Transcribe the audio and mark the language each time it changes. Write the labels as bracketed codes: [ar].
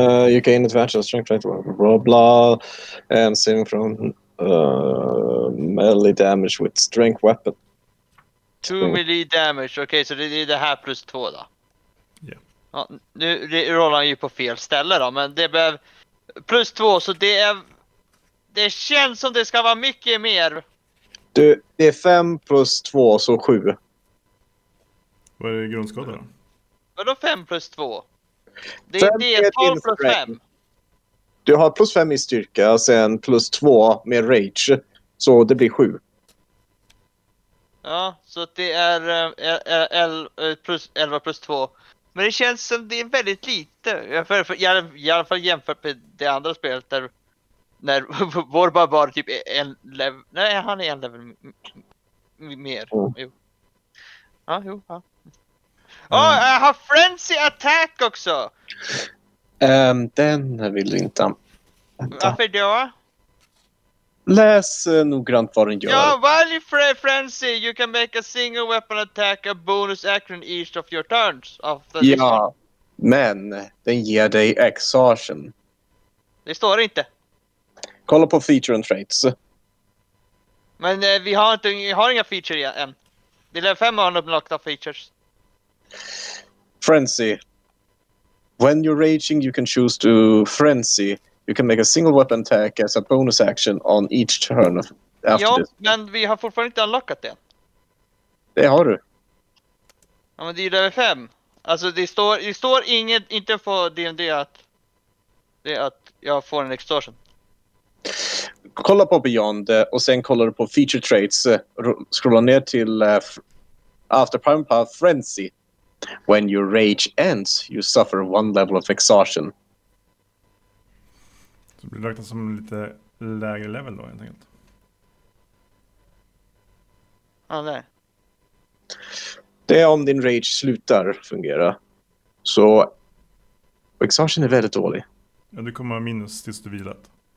[en] You gain advantage of strength, right? Blah, blah. And saving from melee damage with strength weapon. 2 melee damage. [sv] Okej, så det är det här plus 2 då. [en] Yeah. [sv] Ja. Nu rollar han ju på fel ställe då, men det behöver... Plus 2, så det är... Det känns som det ska vara mycket mer. Du, det är 5 plus 2, så 7. Vad är grundskada då? Vadå 5 plus 2? Det är deltal plus 5. Du har plus 5 i styrka, sen plus 2 med rage. Så det blir 7. Ja, så det är plus 11 plus 2. Men det känns som det är väldigt lite. I alla fall jämfört med det andra spelet där när vår bara var typ en level. Nej, han är en level mer. Mm. Jo. Ja, jo, ja. Jag har frenzy attack också. Den vill du inte. Vänta. Varför då? Läs noggrant vad den gör. [en] Ja, while you frenzy, you can make a single weapon attack a bonus action each of your turns. Of the [sv] ja, system. Men den ger dig exhaustion. Det står inte. Kolla på [en] feature and traits. [sv] Men vi har inga feature än. Det är 5 av unlockta features. [en] Frenzy. When you're raging, you can choose to frenzy. You can make a single weapon attack as a bonus action on each turn after this. [sv] Ja, men vi har fortfarande inte unlockat det. Det har du. Ja, men det är ju level 5. Alltså det står inget, inte på D&D att det är att jag får en extortion. Kolla på Beyond och sen kollar du på feature traits. Scrolla ner till [en] after prime path frenzy. When your rage ends, you suffer one level of exhaustion. [sv] Så blir det som en lite lägre level då, helt enkelt. Ja, nej. Det är om din rage slutar fungera. Så exhaustion är väldigt dålig. Ja, du kommer minus tills du vilat.